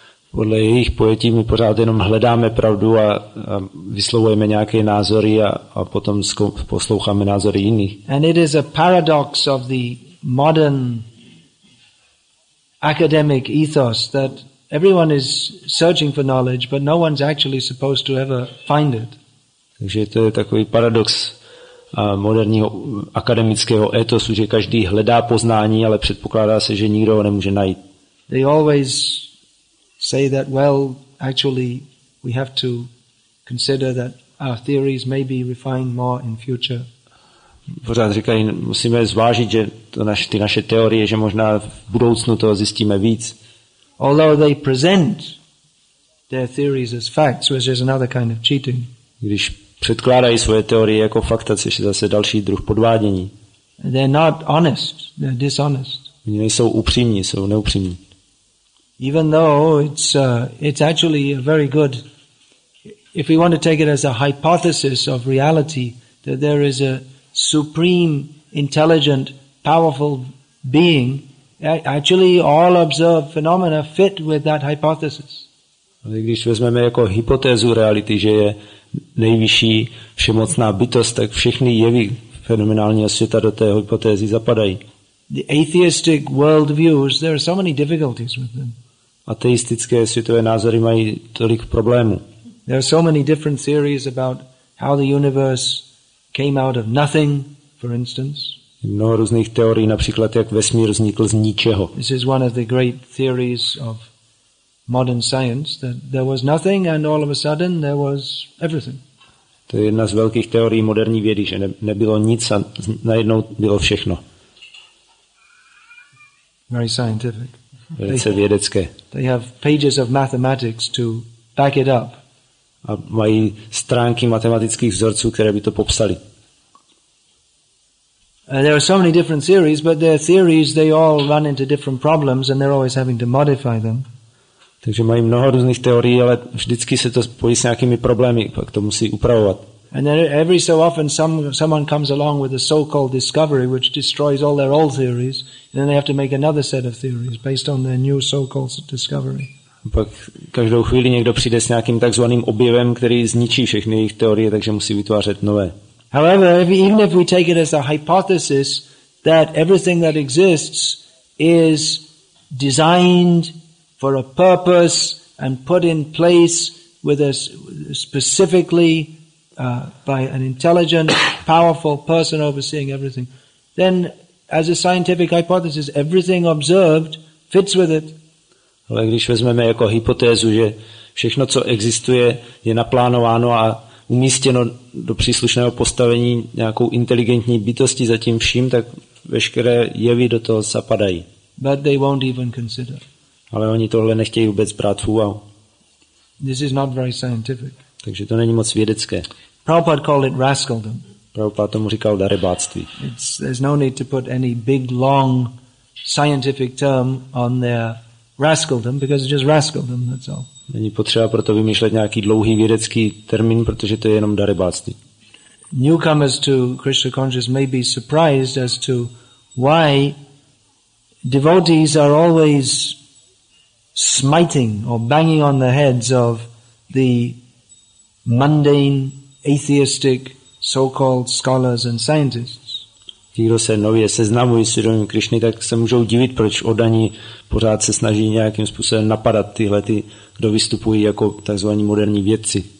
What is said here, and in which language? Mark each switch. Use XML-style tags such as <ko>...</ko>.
<cs>Podle jejich pojetí my pořád jenom hledáme pravdu a vyslovujeme nějaké názory a potom posloucháme názory jiných.</cs> <en>And it is a paradox of the modern academic ethos that everyone is searching for knowledge, but no one's actually supposed to ever find it.</en> <cs>Takže to je takový paradox moderního akademického etosu, že každý hledá poznání, ale předpokládá se, že nikdo ho nemůže najít.</cs> <en>They always say that, well, actually, we have to consider that our theories may be refined more in future.</en> <cs>Pořád říkají, musíme zvážit, že ty naše teorie, že možná v budoucnu toho zjistíme víc.</cs> <en>Although they present their theories as facts, which is another kind of cheating.</en> <cs>Když předkládají svoje teorie jako fakta, což je zase další druh podvádění.</cs> <en>They're not honest, they're dishonest.</en> <cs>Oni nejsou upřímní, jsou neupřímní.</cs> <en>Even though it's actually a very good, if we want to take it as a hypothesis of reality, that there is a supreme, intelligent, powerful being, actually all observed phenomena fit with that hypothesis.</en> <cs>Ale když vezmeme jako hypotézu reality, že je nejvyšší všemocná bytost, tak všechny jevy fenomenálního světa do té hypotézy zapadají.</cs> <en>The atheistic worldviews, there are so many difficulties with them.</en> <cs>Ateistické světové názory mají tolik problémů.</cs> <en>There are so many different theories about how the universe came out of nothing, for instance.</en> <cs>Mnoho různých teorií, například jak vesmír vznikl z ničeho.</cs> <en>This is one of the great theories of modern science, that there was nothing and all of a sudden there was everything.</en> <cs>To je jedna z velkých teorií moderní vědy, že nebylo nic a najednou bylo všechno.</cs> <en>Very scientific.</en> <cs>Velice vědecké.</cs> <en>They have pages of mathematics to back it up.</en> <cs>A mají stránky matematických vzorců, které by to popsali.</cs> <en>There are so many different theories, but their theories, they all run into different problems and they're always having to modify them.</en> <cs>Takže mají mnoho různých teorií, ale vždycky se to spojí s nějakými problémy, pak to musí upravovat.</cs> <en>And then every so often someone comes along with a so-called discovery which destroys all their old theories, and then they have to make another set of theories based on their new so-called discovery.</en> <cs>Pak každou chvíli někdo přijde s nějakým takzvaným objevem, který zničí všechny jejich teorie, takže musí vytvářet nové.</cs> <en>However, even if we take it as a hypothesis that everything that exists is designed for a purpose and put in place with a specifically by an intelligent, powerful person overseeing everything, then as a scientific hypothesis, everything observed fits with it.</en> <cs>Ale když vezmeme jako hypotézu, že všechno, co existuje, je naplánováno a umístěno do příslušného postavení nějakou inteligentní bytosti za tím vším, tak veškeré jevy do toho zapadají.</cs> <en>But they won't even consider.</en> <cs>Ale oni tohle nechtějí vůbec brát v úvahu.</cs> <en>This is not very scientific.</en> <cs>Takže to není moc vědecké.</cs> <en>Prabhupada called it rascaldom.</en> <cs>Prabhupada tomu říkal darebáctví.</cs> <en>There's no need to put any big, long scientific term on their rascaldom, because it's just rascaldom, that's all.</en> <cs>Není potřeba proto vymýšlet nějaký dlouhý vědecký termín, protože to je jenom darebáctví.</cs> <en>Newcomers to Krishna consciousness may be surprised as to why devotees are always smiting or banging on the heads of the mundane, atheistic, so-called scholars and scientists.</en> <cs>Ti, kdo se nově seznamují s vědomím Krišny, tak se můžou divit, proč oddaní pořád se snaží nějakým způsobem napadat tyhle ty, kdo vystupují jako takzvaní moderní vědci.</cs>